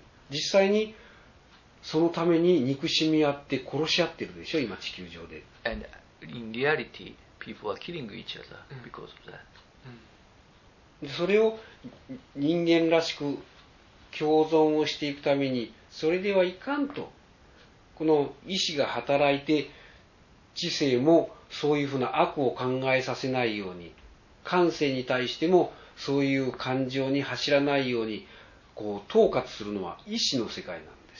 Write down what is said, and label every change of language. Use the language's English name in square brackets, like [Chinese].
[Japanese] 実際にそのために憎しみあって殺し合ってるでしょ、今地球上で。 [English] And in reality, people are killing each other because of that. [Japanese] それを人間らしく共存をしていくためにそれではいかんと、この意志が働いて知性もそういうふうな悪を考えさせないように、感性に対してもそういう感情に走らないようにこう統括するのは意志の世界なんです。